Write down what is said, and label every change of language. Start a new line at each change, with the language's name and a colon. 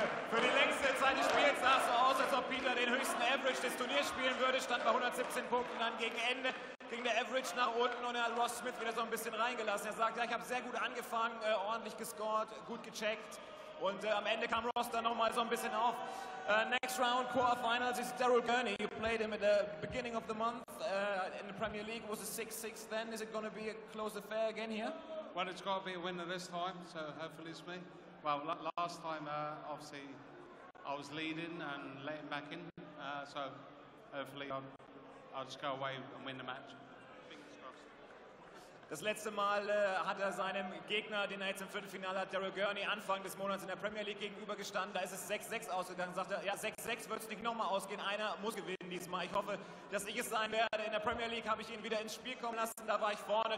German: Für die längste Zeit des Spiels sah es so aus, als ob Peter den höchsten Average des Turniers spielen würde. Stand bei 117 Punkten. Dann gegen Ende ging der Average nach unten und er hat Ross Smith wieder so ein bisschen reingelassen. Er sagt, ja, ich habe sehr gut angefangen, ordentlich gescored, gut gecheckt. Und am Ende kam Ross dann nochmal so ein bisschen auf.
English: Next round, quarterfinals, is Daryl Gurney. You played him at the beginning of the month in the Premier League. It was a 6-6 then. Is it going to be a close affair again here? Well, it's got to be a winner this time, so hopefully it's me. Well, last time, obviously, I was leading and letting back in. So hopefully I'll just go away and win the match.
German: Das letzte Mal hat er seinem Gegner, den er jetzt im Viertelfinale hat, Daryl Gurney, Anfang des Monats in der Premier League gegenüber gestanden. Da ist es 6-6 ausgegangen. Sagt er, ja, 6-6 wird es nicht nochmal ausgehen. Einer muss gewinnen diesmal. Ich hoffe, dass ich es sein werde. In der Premier League habe ich ihn wieder ins Spiel kommen lassen. Da war ich vorne.